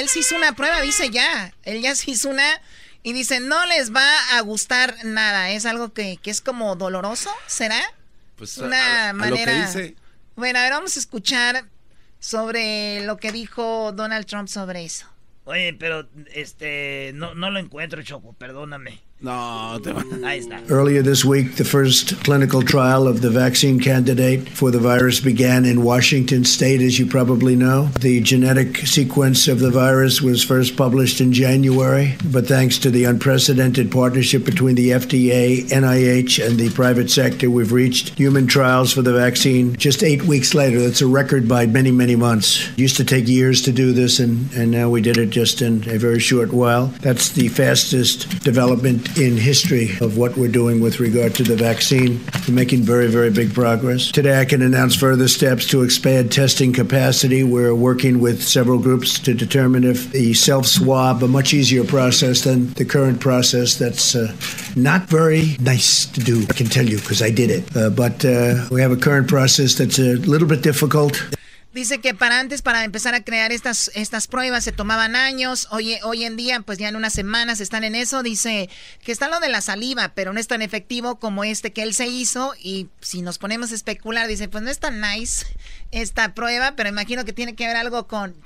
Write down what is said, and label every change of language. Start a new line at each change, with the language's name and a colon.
Spanish: Él sí hizo una prueba, dice ya. Él ya se hizo una y dice, no les va a gustar nada. Es algo que es como doloroso, ¿será? Pues una manera... lo que dice. Bueno, a ver, vamos a escuchar sobre lo que dijo Donald Trump sobre eso. Oye, pero no lo encuentro, Choco, perdóname.
English: Earlier this week, the first clinical trial of the vaccine candidate for the virus began in Washington State, as you probably know. The genetic sequence of the virus was first published in January, but thanks to the unprecedented partnership between the FDA, NIH, and the private sector, we've reached human trials for the vaccine just 8 weeks later. That's a record by many, many months. It used to take years to do this, and now we did it just in a very short while. That's the fastest development in history of what we're doing with regard to the vaccine. We're making very, very big progress. Today I can announce further steps to expand testing capacity. We're working with several groups to determine if the self-swab, a much easier process than the current process that's not very nice to do, I can tell you, because I did it. We have a current process that's a little bit difficult.
Spanish: Dice que para empezar a crear estas pruebas se tomaban años. Hoy en día, pues ya en unas semanas están en eso. Dice que está lo de la saliva, pero no es tan efectivo como este que él se hizo. Y si nos ponemos a especular, dice, pues no es tan nice esta prueba, pero imagino que tiene que ver algo con...